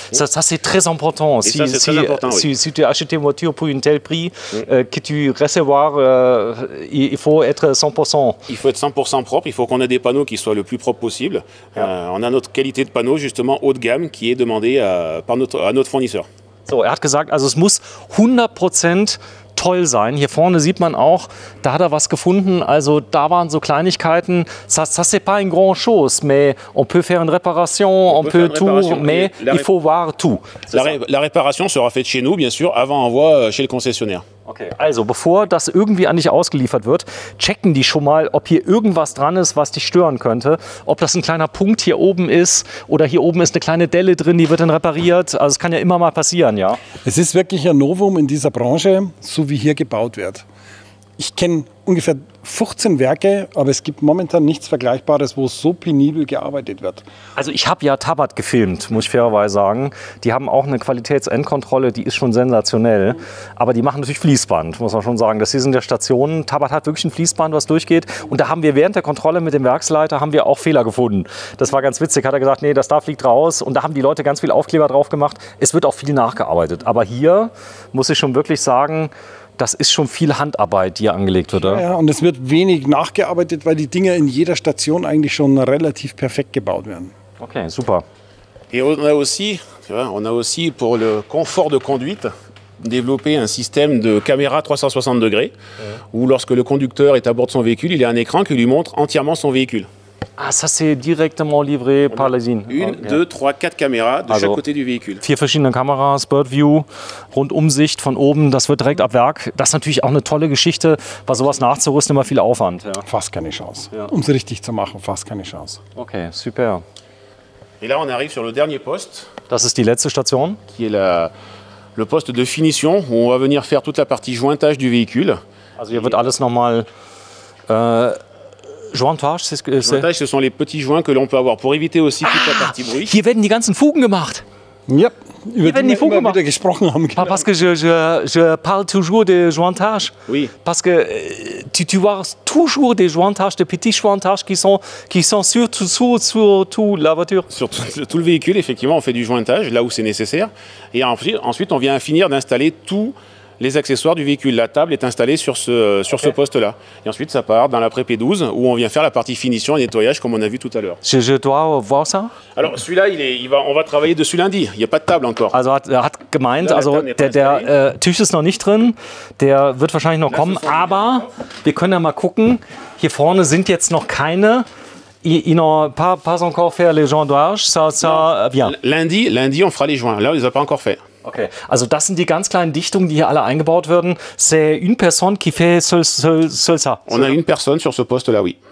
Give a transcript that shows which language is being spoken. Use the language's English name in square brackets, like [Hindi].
[French] Ça, ça c'est très important. Si, ça, c'est très important, si tu achètes une voiture pour un tel prix, que tu recevoir, il faut être 100%. Il faut être 100% propre, il faut qu'on ait des panneaux qui soient le plus propre possible. Ja. On a notre qualité de panneau, justement, haut de gamme, qui est demandée à notre fournisseur. [German] So, er hat gesagt, also es muss 100% toll sein. Hier vorne sieht man auch, da hat er was gefunden. Also da waren so Kleinigkeiten. [French] Ça, ça c'est pas une grande chose, mais on peut faire une réparation, on peut tout, mais il faut voir tout. La réparation sera faite chez nous, bien sûr, avant envoi chez le concessionnaire. [German] Okay, also bevor das irgendwie an dich ausgeliefert wird, checken die schon mal, ob hier irgendwas dran ist, was dich stören könnte. Ob das ein kleiner Punkt hier oben ist oder hier oben ist eine kleine Delle drin, die wird dann repariert. Also es kann ja immer mal passieren, ja. Es ist wirklich ein Novum in dieser Branche, so wie hier gebaut wird. Ich kenne ungefähr 15 Werke, aber es gibt momentan nichts Vergleichbares, wo so penibel gearbeitet wird. Also ich habe ja Tabat gefilmt, muss ich fairerweise sagen. Die haben auch eine Qualitätsendkontrolle, die ist schon sensationell. Aber die machen natürlich Fließband, muss man schon sagen. Das hier sind ja Stationen. Tabat hat wirklich ein Fließband, was durchgeht. Und da haben wir während der Kontrolle mit dem Werksleiter haben wir auch Fehler gefunden. Das war ganz witzig. Hat er gesagt, nee, das da fliegt raus. Und da haben die Leute ganz viel Aufkleber drauf gemacht. Es wird auch viel nachgearbeitet. Aber hier muss ich schon wirklich sagen, das ist schon viel Handarbeit, die hier angelegt wird, oder? Ja, und es wird wenig nachgearbeitet, weil die Dinger in jeder Station eigentlich schon relativ perfekt gebaut werden. Okay, super. [French] Et on a aussi pour le confort de conduite développé un système de caméra 360 degrés, où lorsque le conducteur est à bord de son véhicule, il y a un écran qui lui montre entièrement son véhicule. Ah, ça c'est directement livré par l'usine. Une, okay. Deux, trois, quatre caméras de chaque côté du véhicule. [German] Vier verschiedene Kameras, Bird View, Rundumsicht von oben, das wird direkt ab Werk. Das ist natürlich auch eine tolle Geschichte, weil sowas nachzurüsten immer viel Aufwand. Ja. Fast keine Chance. Ja. Um es richtig zu machen, fast keine Chance. Okay, super. [French] Et là on arrive sur le dernier poste. [German] Das ist die letzte Station. [French] Qui est le poste de finition, où on va venir faire toute la partie jointage du véhicule. [German] Also hier wird alles nochmal... [French] Jointage, c'est ce que c'est. Jointage, ce sont les petits joints que l'on peut avoir pour éviter aussi toute la partie bruit. [German] Hier werden die ganzen Fugen gemacht. Ja, über die wir immer wieder gesprochen haben. [French] Parce que je parle toujours de jointage. Oui. Parce que tu vois toujours des jointages, des petits jointages qui sont sur tout la voiture. Sur tout le véhicule, effectivement, on fait du jointage là où c'est nécessaire. Et ensuite, on vient finir d'installer tout les accessoires du véhicule. La table est installée sur ce, sur ce poste-là. Et ensuite, ça part dans la pré-P12 où on vient faire la partie finition et nettoyage comme on a vu tout à l'heure. Je dois voir ça? Alors, celui-là, on va travailler dessus lundi. Il n'y a pas de table encore. [German] Also, hat gemeint, là, also, der Tisch ist noch nicht drin. Der wird wahrscheinlich noch kommen. Aber wir können ja mal gucken. Hier vorne sind jetzt noch keine. [French] Ils n'ont pas encore fait les joints d'âge, ça vient. Lundi, on fera les joints. Là, on ne les a pas encore fait. Ok. [German] Also, das sind die ganz kleinen Dichtungen, die hier alle eingebaut werden. [French] C'est une personne qui fait seul ça. On a une personne sur ce poste-là, oui.